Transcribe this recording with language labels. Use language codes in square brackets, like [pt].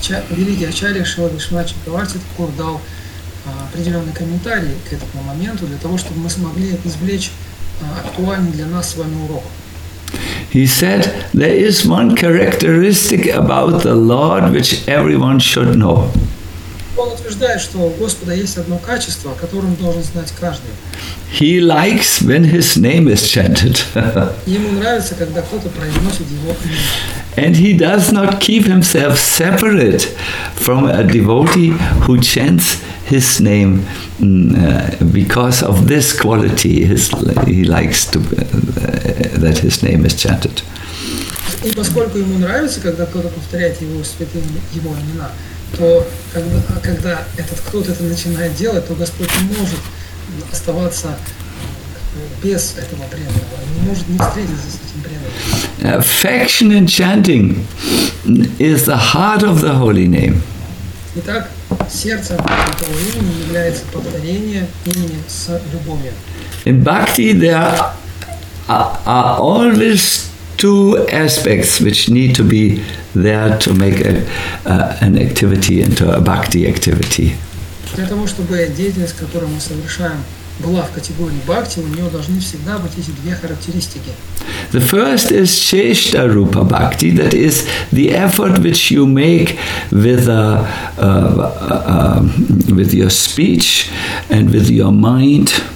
[ru] Великий Ачарья Шрила Вишванат Чакраварти Такур дал определенный комментарий к этому моменту для того, чтобы мы смогли извлечь актуальный для нас с вами урок. [en] He said, there is one characteristic about the Lord which everyone should know. [ru] он утверждает, что у Господа есть одно качество, о котором должен знать каждый. [en] He likes when his name is chanted. [ru] Ему нравится, когда кто-то произносит его имя. [en] And he does not keep himself separate from a devotee who chants his name because of this quality. He likes to that his name is chanted. [ru] И поскольку ему нравится, когда кто-то повторяет его святые его имена, то когда этот кто-то это начинает делать, то Господь не может оставаться без этого преданного, не может не встретиться с этим преданным. [en] Affection and chanting is the heart of the holy name. [ru] Итак, сердцем этого имени является повторение имени с любовью. [en] In bhakti there are always two aspects which need to be there to make an activity into a bhakti activity. [ru] Для того, чтобы деятельность, которую мы совершаем, была в категории бхакти, у нее должны всегда быть эти две характеристики. [en] The first is chesta rupa bhakti, that is the effort which you make with your speech and with your mind.